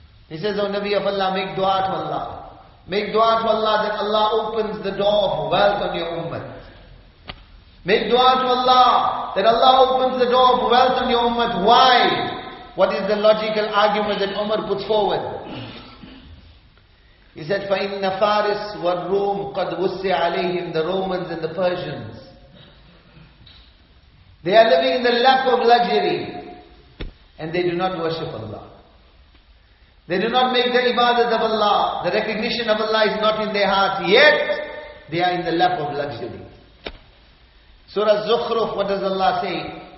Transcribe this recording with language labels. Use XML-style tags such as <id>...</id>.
<en>He says, O Nabi of Allah, make dua to Allah. Make dua to Allah that Allah opens the door of wealth on your ummah. Make dua to Allah that Allah opens the door of wealth on your ummah. Why? What is the logical argument that Umar puts forward? He said,</en> <ar>فَإِنَّ فَارِسْ وَالْرُومِ قَدْ وُسِّعَ عَلَيْهِمْ.</ar> <en>The Romans and the Persians, they are living in the lap of luxury and they do not worship Allah. They do not make the ibadat of Allah. The recognition of Allah is not in their hearts. Yet, they are in the lap of luxury. Surah Zukhruf, what does Allah say?</en>